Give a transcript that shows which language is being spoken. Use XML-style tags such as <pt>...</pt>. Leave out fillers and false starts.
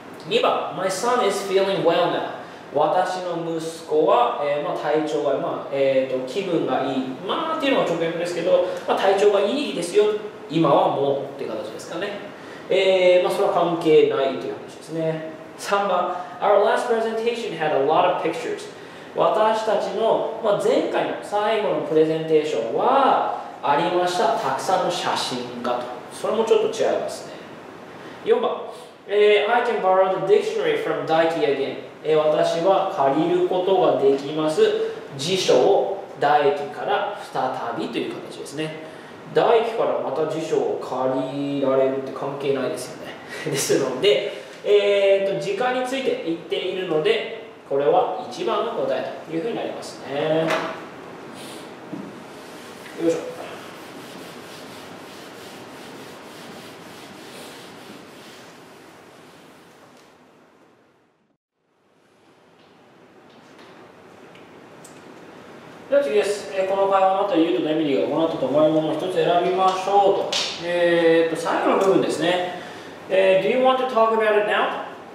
<en>2番、 My son is feeling well now。</en> <ja>私の息子は、まあ、体調が、まあ気分がいい、まあっていうのが直訳ですけど、まあ、体調がいいですよ今はもうって形ですかね。まあ、それは関係ないという話ですね。</ja> <en>3番、 Our last presentation had a lot of pictures。</en> <ja>私たちの、まあ、前回の最後のプレゼンテーションはありました、たくさんの写真がと。それもちょっと違いますね。</ja> <en>4番、 I can borrow the dictionary from Daiki again。</en> <ja>私は借りることができます、辞書を Daiki から再びという形ですね。 Daiki からまた辞書を借りられるって関係ないですよね。ですので時間について言っているので、これは1番の答えというふうになりますね。よいしょ。では次です。この会話のあたり言うとエミリーが行ったと思うものを一つ選びましょうと。最後の部分ですね。</ja> <en>Do you want to talk about it now?</en>